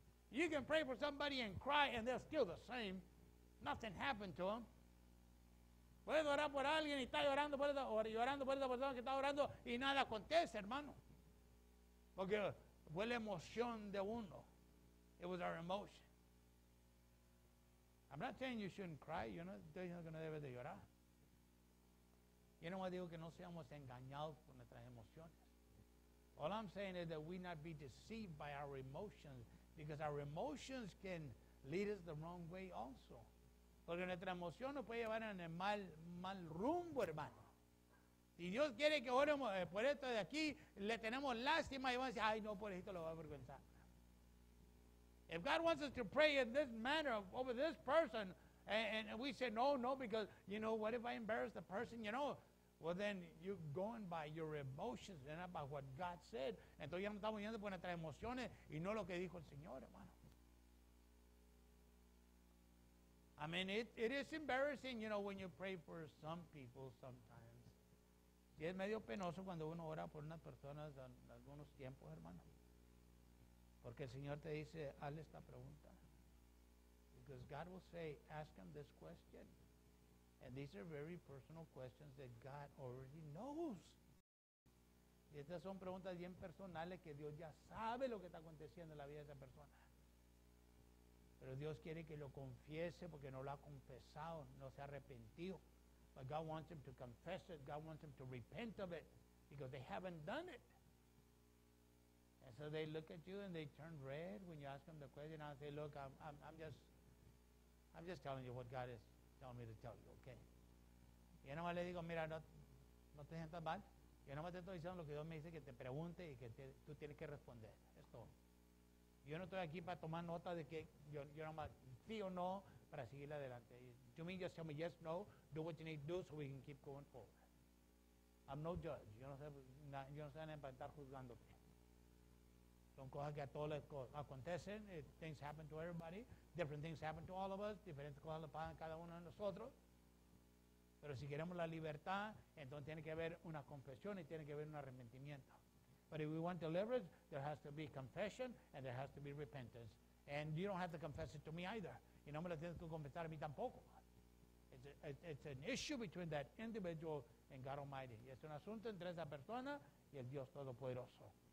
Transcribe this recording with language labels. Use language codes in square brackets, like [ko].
[en] You can pray for somebody and cry and they're still the same. Nothing happened to them. [es] Puedes orar por alguien y está llorando, por la persona que está orando y nada acontece, hermano. Porque fue la emoción de uno. [en] It was our emotion. I'm not saying you shouldn't cry. You know, [es] estoy diciendo que no debes de llorar. Yo no me digo que no seamos engañados por nuestras emociones. [en] All I'm saying is that we not be deceived by our emotions, because our emotions can lead us the wrong way also. [es] Porque nuestra emoción nos puede llevar en el mal rumbo, hermano. Si Dios quiere que oremos por esto de aquí, le tenemos lástima y vamos a decir, ay, no, por esto lo va a avergonzar. [en] If God wants us to pray in this manner over this person, and we say, no, because, you know, what if I embarrass the person, you know? Well, then you're going by your emotions and not by what God said. [es] Entonces ya no estamos yendo por nuestras emociones y no lo que dijo el Señor, hermano. [en] I mean, it is embarrassing, you know, when you pray for some people sometimes. [es] Y es medio penoso cuando uno ora por unas personas en algunos tiempos, hermano. Porque el Señor te dice, hazle esta pregunta. [en] Because God will say, ask him this question. And these are very personal questions that God already knows. [es] Y estas son preguntas bien personales que Dios ya sabe lo que está aconteciendo en la vida de esa persona. Pero Dios quiere que lo confiese porque no lo ha confesado, no se ha arrepentido. [en] But God wants him to confess it. God wants him to repent of it because they haven't done it. And so they look at you and they turn red when you ask them the question. I say, look, I'm just telling you what God is telling me to tell you, okay? [es] Y yo nomás le digo, mira, no te sientas mal. Yo nomás te estoy diciendo lo que Dios me dice que te pregunte y que tú tienes que responder. Esto. Yo no estoy aquí para tomar nota de que yo no más sí o no para seguir adelante. [en] To me, just tell me yes, no, do what you need to do so we can keep going forward. I'm no judge. [es] Yo no sé nada para estar juzgándote. Son cosas que a todos les acontecen. [en] Things happen to everybody. Different things happen to all of us. [es] Diferentes cosas le pasan a cada uno de nosotros. Pero si queremos la libertad, entonces tiene que haber una confesión y tiene que haber un arrepentimiento. [en] But if we want deliverance, there has to be confession and there has to be repentance. And you don't have to confess it to me either. [es] Y no me lo tienes que confesar a mí tampoco. [en] It's an issue between that individual and God Almighty. [es] Y es un asunto entre esa persona y el Dios Todopoderoso.